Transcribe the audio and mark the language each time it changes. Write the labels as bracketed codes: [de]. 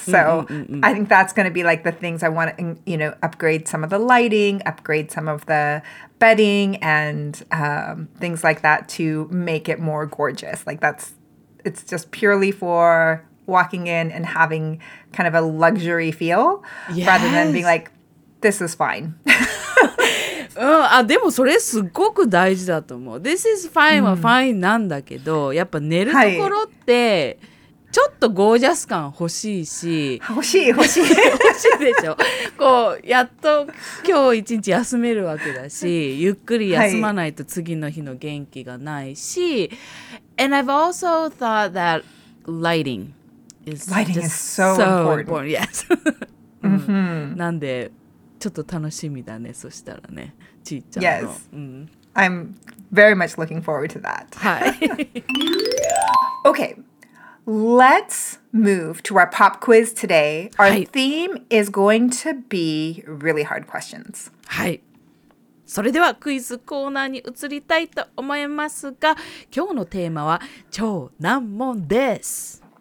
[en] So I think that's going to be like the things I want to, you know, upgrade some of the lighting, upgrade some of the bedding and things like that to make it more gorgeous. Like that's, it's just purely for... walking in and having kind of a luxury feel、 yes. rather than being like, this is fine. [ja] あ、でもそれすごく大事だと思う。 [en] This is fine [ja] は fine なんだけど、やっぱ寝るところってちょっとゴージャス感欲しいし、欲しい欲しい欲しいでしょ。こうやっと今日一日休めるわけだし、ゆっくり休まないと次の日の元気がないし、 [en] And I've also thought that lighting is lighting just is so, so important. Important. Yes. Mm-hmm. [ja] なんでちょっと楽しみだね。そしたらね、ちいちゃんの。 [en] Yes.、うん、I'm very much looking forward to that. [ja] はい。 [en] Okay. Let's move to our pop quiz today. Our、はい、theme is going to be really hard questions. [ja] はい。それではクイズコーナーに移りたいと思いますが、今日のテーマは超難問です。